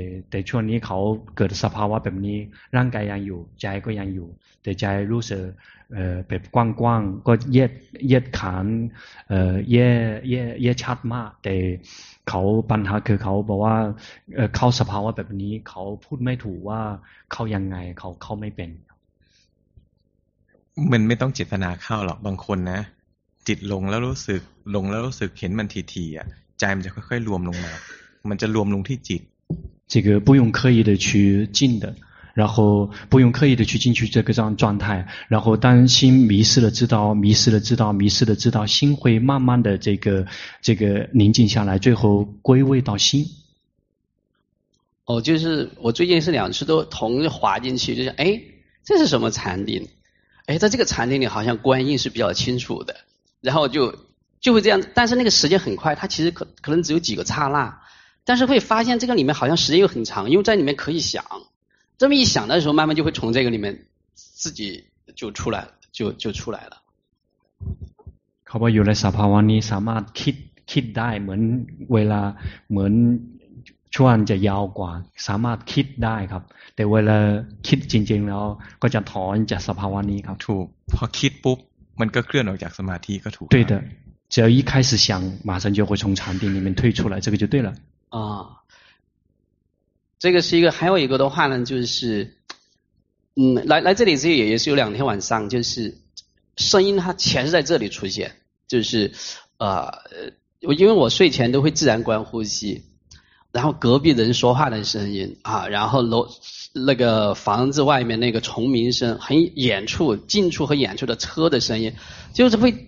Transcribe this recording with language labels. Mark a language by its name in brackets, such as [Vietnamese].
[Thai] แต่ช่วงนี้เขาเกิดสภาวะแบบนี้ร่างกายยังอยู่ใจก็ยังอยู่แต่ใจรู้สึกแบบกว้างๆก็เย็ดขานเย็ดชัดมากแต่เขาปัญหาคือเขาบอกว่าเข้าสภาวะแบบนี้เขาพูดไม่ถูกว่าเข้ายังไงเขาเข้าไม่เป็น มันไม่ต้องเจตนาเข้าหรอกบางคนนะจิตลงแล้วรู้สึกลงแล้วรู้สึกเห็นมันทีๆอ่ะใจมันจะค่อยๆรวมลงมามันจะรวมลงที่จิต [Chinese] 这个不用刻意的去进的然后不用刻意的去进去这个状态然后当心迷失了知道迷失了知道迷失了知道心会慢慢的这个宁静下来最后归位到心哦就是我最近是两次都同时滑进去就是哎这是什么禅定哎，在这个禅定里好像观音是比较清楚的然后就会这样但是那个时间很快它其实可能只有几个刹那但是会发现这个里面好像时间又很长因为在里面可以想这么一想的时候慢慢就会从这个里面自己就出来就出来了 [Thai] เขาบอกอยู่ในสภาวะนี้สามารถคิดได้เหมือนเวลาเหมือนช่วงจะยาวกว่าสามารถคิดได้ครับแต่เวลาคิดจริงๆแล้วก็จะถอนจากสภาวะนี้ครับ ถูกพอคิดปุ๊บมันก็เคลื่อนออกจากสมาธิก็ถูก [Chinese] 对的只要一开始想马上就会从禅定里面退出来这个就对了啊这个是一个还有一个的话呢就是来这里自己也是有两天晚上就是声音它全是在这里出现就是因为我睡前都会自然观呼吸然后隔壁人说话的声音啊然后楼那个房子外面那个虫鸣声很远处近处和远处的车的声音就是会